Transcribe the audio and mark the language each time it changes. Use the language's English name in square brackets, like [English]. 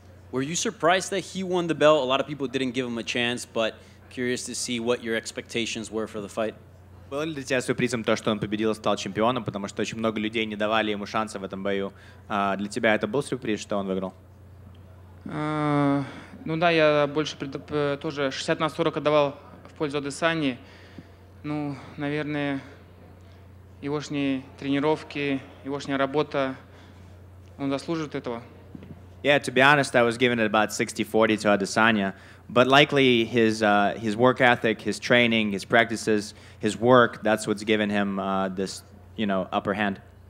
[English] Were you surprised that he won the belt? A lot of people didn't give him a chance, but curious to see what your expectations were for the fight. [Russian] Было ли для тебя сюрпризом то, что он победил и стал чемпионом, потому что очень много людей не давали ему шанса в этом бою. Для тебя это был сюрприз, что он выиграл? Ну да, я больше тоже 60 на 40 отдавал в пользу Адесани. Ну, наверное, егошние тренировки, егошняя работа, он заслуживает этого. [English] Yeah, to be honest, I was giving it about 60-40 to Adesanya, but likely his work ethic, his training, his practices, his work, that's what's given him this, you know, upper hand.